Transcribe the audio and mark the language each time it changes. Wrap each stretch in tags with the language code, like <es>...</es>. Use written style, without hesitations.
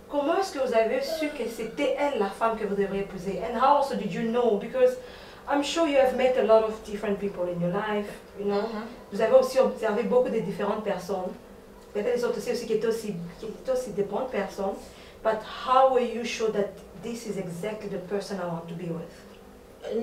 <fr>Comment est-ce que vous avez su que c'était elle la femme que vous devriez épouser?</fr> <en>And how also did you know? Because I'm sure you have met a lot of different people in your life, you know? Mm-hmm.</en> <fr>Vous avez aussi observé beaucoup de différentes personnes. Peut-être des autres aussi qui étaient aussi des bonnes personnes.</fr> <en>But how were you sure that this is exactly the person I want to be with?</en>